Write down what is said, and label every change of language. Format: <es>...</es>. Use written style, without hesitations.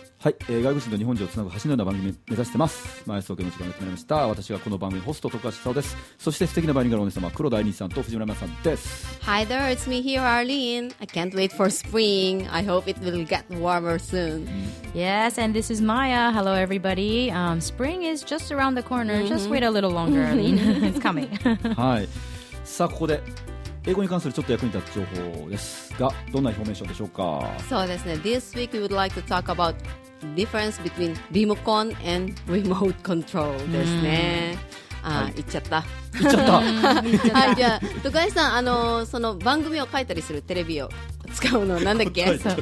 <ja>はい、外国人と日本人をつなぐ橋のような番組目指してます。 My Eyes Tokyo の時間が決まりました。私はこの番組ホスト徳橋沙です。そして素敵なバイリンガルお姉様黒田愛理さんと藤村さんです。</ja> <en>Hi there, it's me here, Arlene. I can't wait for spring. I hope it will get warmer soon、 Yes, and this is Maya. Hello everybody、Spring is just around the corner、Just wait a little longer, Arlene. It's coming.</en> <ja>はい、さあここで英語に関するちょっと役に立つ情報ですが、どんな表現書でしょうか。そうですね、</ja> <en>This week we would like to talk about difference between リモコン and remote control</en> <ja>ですね。あ、はい、言っちゃった言っちゃった。はい、じゃあ徳橋さん、その番組を書いたりするテレビを使うのなんだっけ。</ja>